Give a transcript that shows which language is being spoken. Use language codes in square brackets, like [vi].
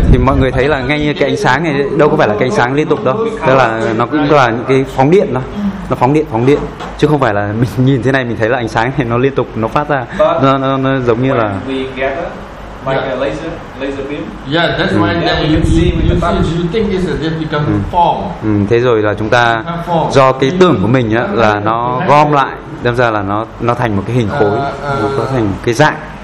[vi] Thì mọi người thấy là ngay như cái ánh sáng này đâu có phải là cái ánh sáng liên tục đâu. Tức là nó cũng là những cái phóng điện đó. Nó phóng điện chứ không phải là mình nhìn thế này mình thấy là ánh sáng thì nó liên tục nó phát ra. Nó giống như là [en] like a laser beam. Yeah, that's why then you think it's a different become form. [vi] Thế rồi là chúng ta do cái tưởng của mình á là nó gom lại, đâm ra là nó thành một cái hình khối, nó thành cái dạng.